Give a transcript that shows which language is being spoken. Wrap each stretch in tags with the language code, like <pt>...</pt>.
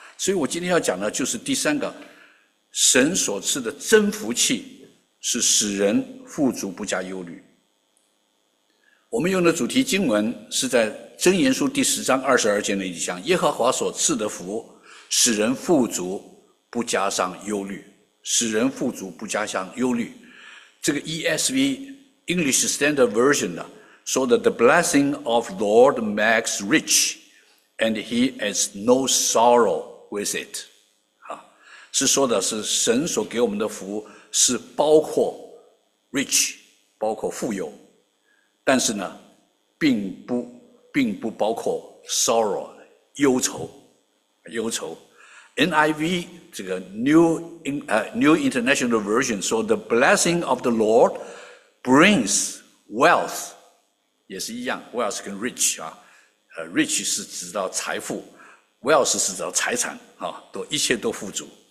<zh>所以我今天要讲的就是第三个，神所赐的真福气是使人富足不加忧虑。我们用的主题经文是在箴言书第10章22节那一项，耶和华所赐的福，使人富足不加上忧虑，使人富足不加上忧虑。这个 ESV（English Standard Version） 呢，说的</zh> <en>"The blessing of Lord makes rich, and he has no sorrow with it"，</en> <zh>啊，是说的是神所给我们的福是包括 rich， 包括富有，但是呢，并不包括 sorrow， 忧愁。忧愁 ，NIV 这个 New International Version 说</zh> <en>"The blessing of the Lord brings wealth"，</en> <zh>也是一样 ，wealth 跟 rich 啊，rich 是指到财富 ，wealth 是指到财产啊，都一切都富足</zh>